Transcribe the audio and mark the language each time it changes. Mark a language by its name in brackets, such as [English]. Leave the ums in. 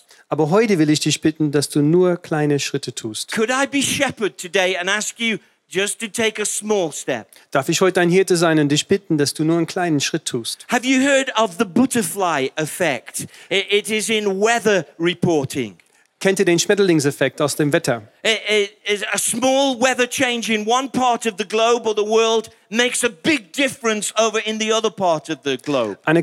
[German] aber heute will ich dich bitten, dass du nur kleine Schritte tust. [English] Could I be shepherd today and ask you just to take a small step? [German] Darf ich heute ein Hirte sein und dich bitten, dass du nur einen kleinen Schritt tust? [English] Have you heard of the butterfly effect? It is in weather reporting. [German] Kennt ihr den Schmetterlingseffekt aus dem Wetter? Eine